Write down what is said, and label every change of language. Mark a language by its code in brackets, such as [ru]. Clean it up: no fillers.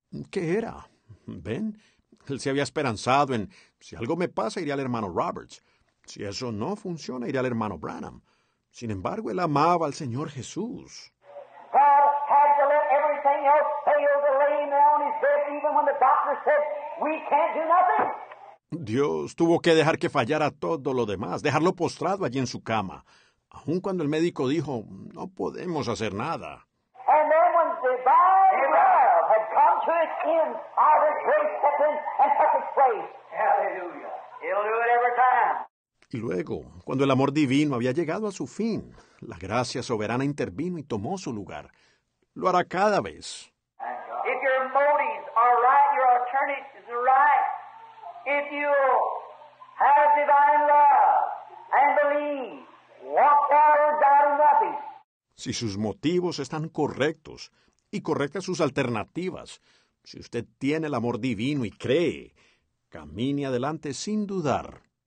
[es] ¿Qué era? ¿Ven? Él se había esperanzado en, si algo me pasa, iré al hermano Roberts. Si eso no funciona, iré al hermano Branham. Sin embargo, él amaba al Señor Jesús. [en] God had to let everything else fail to lay him on his bed, even when the doctor said, we can't do nothing. [es] Dios tuvo que dejar que fallara todo lo demás, dejarlo postrado allí en su cama, aun cuando el médico dijo, no podemos hacer nada. [en] And then when divine love had come to its end, all the grace stepped in and took its place. Hallelujah. He'll do it every time. [es] Y luego, cuando el amor divino había llegado a su fin, la gracia soberana intervino y tomó su lugar. Lo hará cada vez. [en] If your motives are right, your alternative is right. If you have divine love and believe, walk out of doubt and nothing. [es] Si sus motivos están correctos y correctas sus alternativas, si usted tiene el amor divino y cree, camine adelante sin dudar.